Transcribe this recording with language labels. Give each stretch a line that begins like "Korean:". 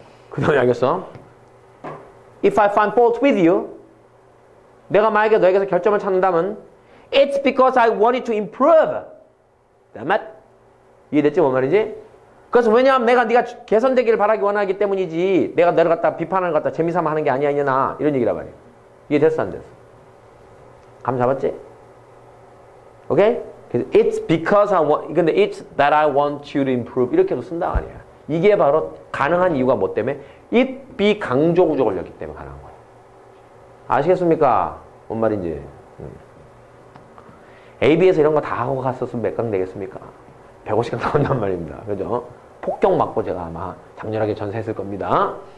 Korean: 그 다음에 알겠어?
English: If I find fault with you,
Korean: 내가 만약에 너에게서 결점을 찾는다면,
English: It's because I want it to improve. Damn it.
Korean: 이해됐지? 뭔 말인지? 그것은 왜냐하면 내가 네가 개선되기를 바라기 원하기 때문이지, 내가 너를 갖다 비판을 갖다 재미삼아 하는 게 아니야, 이냐, 이런 얘기라 말이야. 이해됐어, 안 됐어? 감 잡았지? 오케이?
English: It's because I want,
Korean: 근데
English: it's that I want you to improve.
Korean: 이렇게도 쓴다 말이야. 이게 바로 가능한 이유가 뭐 때문에? It be 강조 구조 걸렸기 때문에 가능한 거야. 아시겠습니까? 뭔 말인지. AB에서 이런 거 다 하고 갔었으면 몇 강 되겠습니까? 150강 나온단 말입니다. 그죠? 폭격 맞고 제가 아마 장렬하게 전사했을 겁니다.